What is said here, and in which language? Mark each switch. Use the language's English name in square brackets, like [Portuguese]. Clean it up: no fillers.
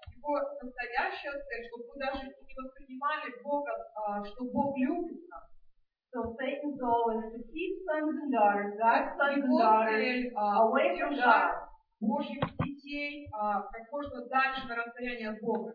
[Russian] Его настоящая цель, чтобы мы даже не воспринимали Бога, что Бог любит нас. [English] So Satan's goal is to keep sons and daughters, God's sons and daughters, away from God. [Russian] Божьих детей как можно дальше на расстояние от Бога.